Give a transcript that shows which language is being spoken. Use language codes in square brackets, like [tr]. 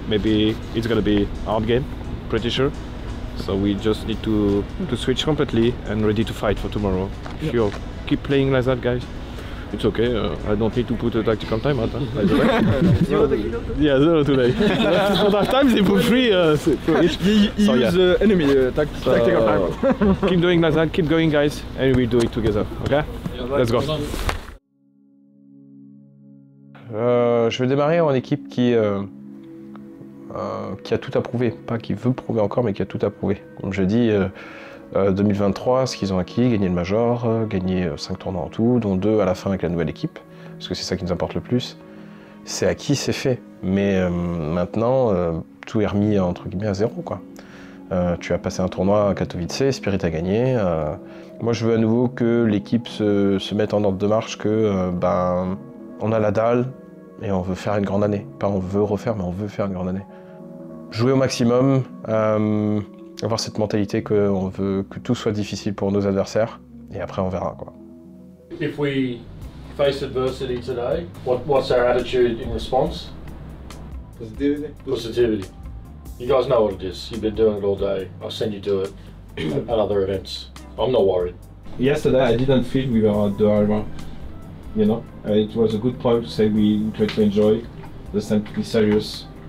[en] Maybe it's gonna be hard game. Pretty sure. So we just need to switch completely and ready to fight for tomorrow. Yep. Sure. Keep playing like that, guys. It's okay. I don't need to put a tactical time out. Zero today. Half times they put three. So each. Use enemy tactical time. Keep doing like that. Keep going, guys, and we do it together. Okay. Yeah, let's go. [fr] Je vais démarrer en équipe qui a tout approuvé, pas qui veut prouver encore, mais qui a tout approuvé. Comme je dis, 2023, ce qu'ils ont acquis, gagner le Major, gagner 5 tournois en tout, dont 2 à la fin avec la nouvelle équipe, parce que c'est ça qui nous importe le plus. C'est acquis, c'est fait. Mais maintenant, tout est remis entre guillemets à zéro, quoi. Tu as passé un tournoi à Katowice, Spirit a gagné. Moi, je veux à nouveau que l'équipe se mette en ordre de marche, que on a la dalle. Et on veut faire une grande année. Pas on veut refaire, mais on veut faire une grande année. Jouer au maximum, avoir cette mentalité qu'on veut que tout soit difficile pour nos adversaires. Et après, on verra, quoi. [en] If we face adversity today, what's our attitude in response? Positivity. You guys know what it is. You've been doing it all day. I've seen you do it at other events. I'm not worried. Yesterday, I didn't feel we were at the RMR. You know, it was a good point to say we try to enjoy the same, to be serious.